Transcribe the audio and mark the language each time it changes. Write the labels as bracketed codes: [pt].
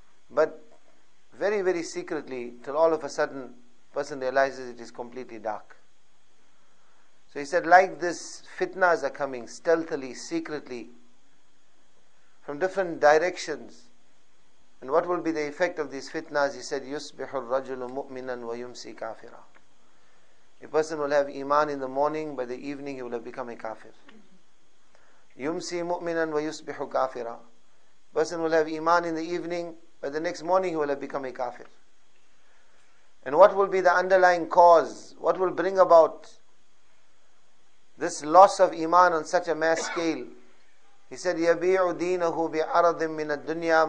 [en] But very, very secretly, till all of a sudden, person realizes it is completely dark. So he said, like this, fitnas are coming stealthily, secretly, from different directions. And what will be the effect of these fitnas? He said, [ar] يُصْبِحُ الرَّجُلُ مُؤْمِنًا وَيُمْسِي كَافِرًا. [en] A person will have iman in the morning, by the evening he will have become a kafir. [ar] يُمْسِي مُؤْمِنًا وَيُصْبِحُ كَافِرًا. [en] A person will have iman in the evening, by the next morning he will have become a kafir. And what will be the underlying cause? What will bring about this loss of iman on such a mass scale? He said, [ar] يَبِيعُ دِينَهُ بِعَرَضٍ مِّنَ الدُّنْيَا.